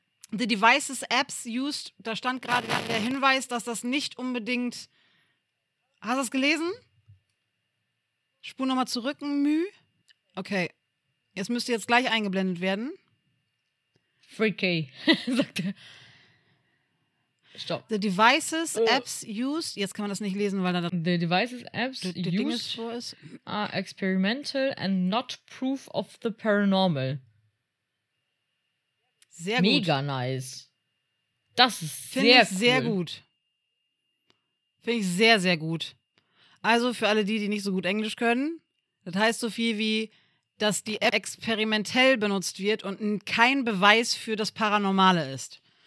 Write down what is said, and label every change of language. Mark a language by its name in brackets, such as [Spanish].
[English] The Devices Apps Used, [German] da stand gerade der Hinweis, dass das nicht unbedingt... Hast du das gelesen? Spur nochmal zurück, Müh. Okay. Es müsste jetzt gleich eingeblendet werden. Freaky. Sagt er. Stopp. [English] The Devices Apps Used, [German] jetzt kann man das nicht lesen, weil da... [English] The Devices Apps Used are experimental and not proof of the paranormal. [German] Sehr mega gut. Mega nice. Das ist Finde ich sehr cool. Finde ich sehr, sehr gut. Also für alle die, die nicht so gut Englisch können, das heißt so viel wie, dass die App experimentell benutzt wird und kein Beweis für das Paranormale ist.